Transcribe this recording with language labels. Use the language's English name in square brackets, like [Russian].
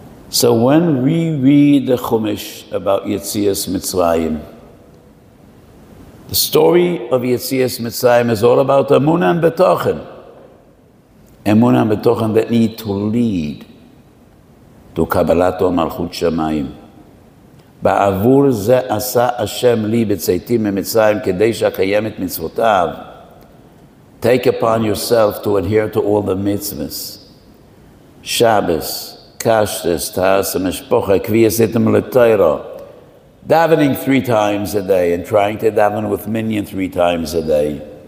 [English] So when we read the Chumash about Yetzias Mitzrayim, the story of Yetzias Mitzrayim is all about Emunah and Betochen. Emunah and Betochen that need to lead to Kabbalat Malchut Shamayim. [Hebrew] בעבור זה עשה השם לי בצייתי ממצרים כדי שאקיים את מצוותיו. [English] Take upon yourself to adhere to all the mitzvahs. Shabbos, kashrus, taharas ha-meshpocha, kviyas itim l'toira. Davening three times a day and trying to daven with minyan three times a day.